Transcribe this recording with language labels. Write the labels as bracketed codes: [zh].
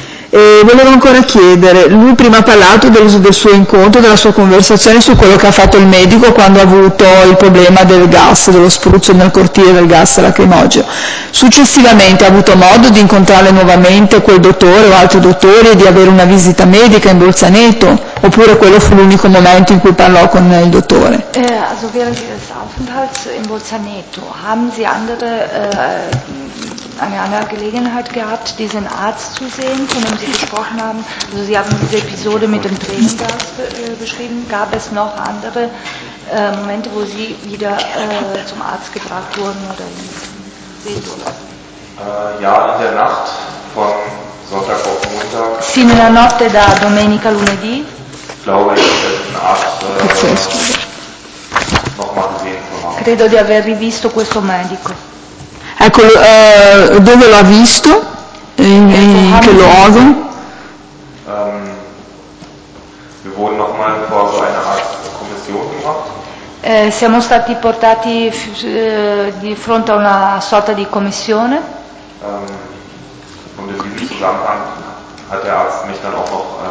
[it] E volevo ancora chiedere, lui prima ha parlato del suo incontro, della sua conversazione su quello che ha fatto il medico quando ha avuto il problema del gas, dello spruzzo nel cortile del gas lacrimogeo. Successivamente ha avuto modo di incontrare nuovamente quel dottore o altri dottori e di avere una visita medica in Bolzaneto? Oppure quello fu l'unico momento in cui parlò con il dottore? [de] Also während des Aufenthalts in Bolzaneto, haben Sie andere eine andere Gelegenheit gehabt, diesen Arzt zu sehen, von dem Sie gesprochen haben. Also Sie haben diese Episode mit dem Tränengas beschrieben. Gab es noch andere Momente, wo Sie wieder zum Arzt gebracht wurden oder in Ja, in der Nacht von Sonntag auf Montag. [it] Sì, nella notte da domenica lunedì. [de] Glaube ich, den Arzt nochmal gesehen. [it] Credo di aver rivisto questo medico. Ecco, dove l'ha visto? In che luogo? [de] Wir wurden nochmal vor so einer Art Kommission gemacht. [it] Siamo stati portati di fronte a una sorta di commissione. [de] Und in diesem Zusammenhang hat der Arzt mich dann auch noch